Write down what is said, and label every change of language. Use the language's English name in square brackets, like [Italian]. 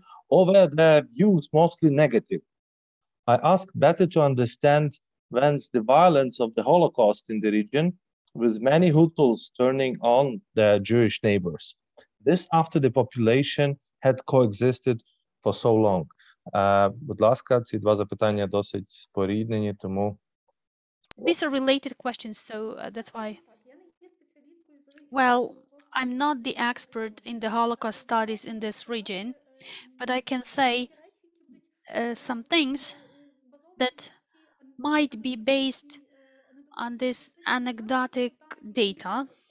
[English] Over the views, mostly negative. I ask better to understand whence the violence of the Holocaust in the region, with many Hutus turning on their Jewish neighbors. This after the population had coexisted for so long. [Ukrainian] Будь ласка, ці два запитання досить споріднені, тому... [English] These are related questions, so that's why. Well, I'm not the expert in the Holocaust studies in this region, but I can say some things that might be based on this anecdotic data.